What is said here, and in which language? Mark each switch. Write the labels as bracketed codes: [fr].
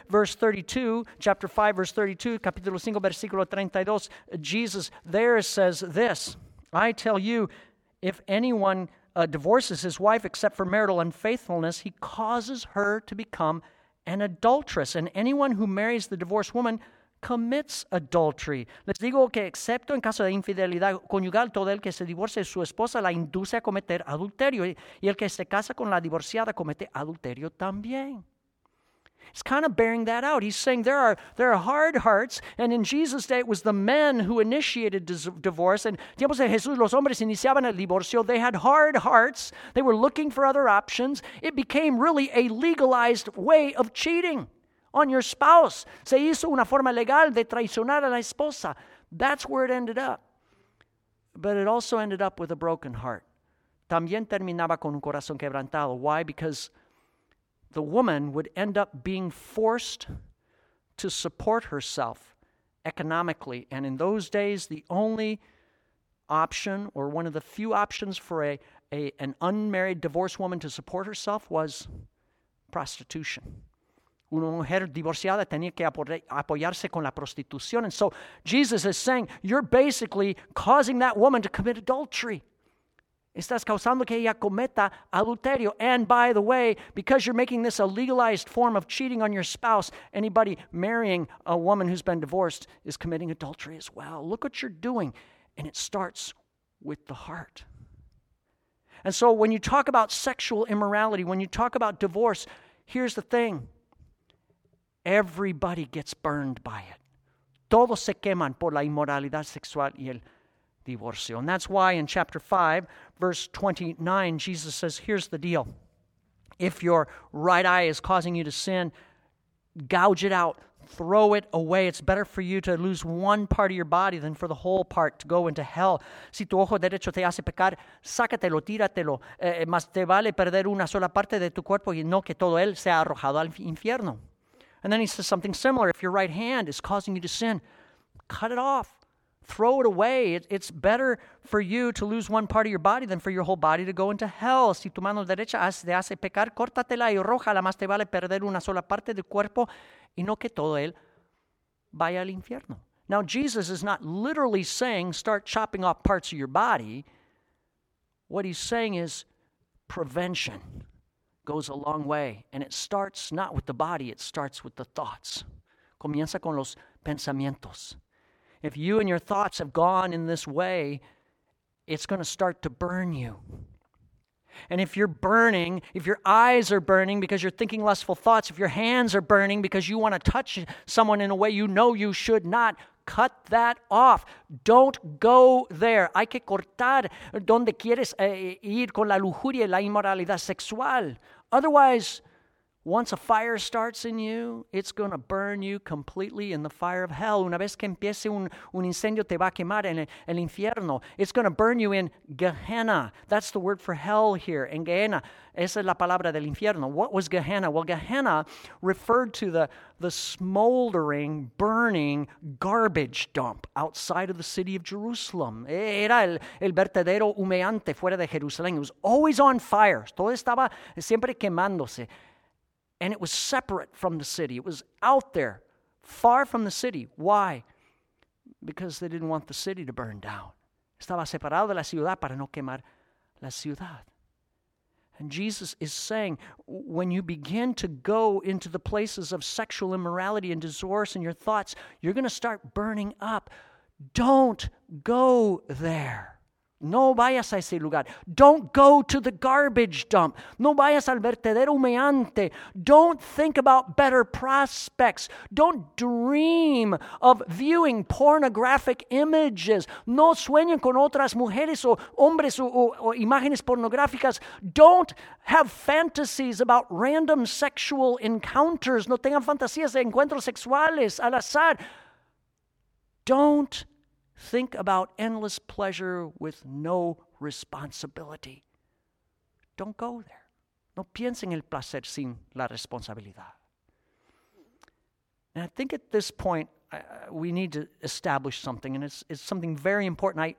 [en] Verse 32, chapter 5, verse 32, [es] capítulo 5, versículo 32. [en] Jesus there says this, I tell you, if anyone divorces his wife except for marital unfaithfulness, he causes her to become an adulteress. And anyone who marries the divorced woman commits adultery. [es] Les digo que excepto en caso de infidelidad conyugal, todo el que se divorcia de su esposa la induce a cometer adulterio, y el que se casa con la divorciada comete adulterio también. [en] He's kind of bearing that out. He's saying there are hard hearts, and in Jesus' day it was the men who initiated divorce. [es] And tiempos de Jesús, los hombres iniciaban el divorcio. [en] They had hard hearts. They were looking for other options. It became really a legalized way of cheating on your spouse. [es] Se hizo una forma legal de traicionar a la esposa. [en] That's where it ended up. But it also ended up with a broken heart. [es] También terminaba con un corazón quebrantado. [en] Why? Because the woman would end up being forced to support herself economically. And in those days, the only option, or one of the few options for an unmarried divorced woman to support herself, was prostitution. [es] Una mujer divorciada tenía que apoyarse con la prostitución. [en] And so Jesus is saying, you're basically causing that woman to commit adultery. [es] Estás causando que ella cometa adulterio. [en] And by the way, because you're making this a legalized form of cheating on your spouse, anybody marrying a woman who's been divorced is committing adultery as well. Look what you're doing. And it starts with the heart. And so when you talk about sexual immorality, when you talk about divorce, here's the thing. Everybody gets burned by it. [es] Todos se queman por la inmoralidad sexual y el divorcio. [en] And that's why in chapter 5, verse 29, Jesus says, here's the deal. If your right eye is causing you to sin, gouge it out, throw it away. It's better for you to lose one part of your body than for the whole part to go into hell. [es] Si tu ojo derecho te hace pecar, sácatelo, tíratelo. Más te vale perder una sola parte de tu cuerpo y no que todo él sea arrojado al infierno. [en] And then he says something similar. If your right hand is causing you to sin, cut it off. Throw it away. It's better for you to lose one part of your body than for your whole body to go into hell. [es] Si tu mano derecha te hace pecar, córtatela y arrójala. Más te vale perder una sola parte del cuerpo y no que todo él vaya al infierno. [en] Now, Jesus is not literally saying start chopping off parts of your body. What he's saying is prevention goes a long way, and it starts not with the body, it starts with the thoughts. [es] Comienza con los pensamientos. [en] If you and your thoughts have gone in this way, it's going to start to burn you. And if you're burning, if your eyes are burning because you're thinking lustful thoughts, if your hands are burning because you want to touch someone in a way you know you should not, cut that off. Don't go there. [es] Hay que cortar donde quieres ir con la lujuria y la inmoralidad sexual. [en] Otherwise, Once a fire starts in you, it's going to burn you completely in the fire of hell. [es] Una vez que empiece un incendio, te va a quemar en el infierno. [en] It's going to burn you in Gehenna. That's the word for hell here, en Gehenna. [es] Esa es la palabra del infierno. [en] What was Gehenna? Well, Gehenna referred to the smoldering, burning garbage dump outside of the city of Jerusalem. [es] Era el vertedero humeante fuera de Jerusalén. [en] It was always on fire. [es] Todo estaba siempre quemándose. [en] And it was separate from the city. It was out there, far from the city. Why? Because they didn't want the city to burn down. [es] Estaba separado de la ciudad para no quemar la ciudad. [en] And Jesus is saying, when you begin to go into the places of sexual immorality and disorder in your thoughts, you're going to start burning up. Don't go there. [es] No vayas a ese lugar. [en] Don't go to the garbage dump. [es] No vayas al vertedero humeante. [en] Don't think about better prospects. Don't dream of viewing pornographic images. [es] No sueñen con otras mujeres o hombres o imágenes pornográficas. [en] Don't have fantasies about random sexual encounters. [es] No tengan fantasías de encuentros sexuales al azar. [en] Don't think about endless pleasure with no responsibility. Don't go there. [es] No piensen en el placer sin la responsabilidad. [en] And I think at this point, we need to establish something, and it's something very important.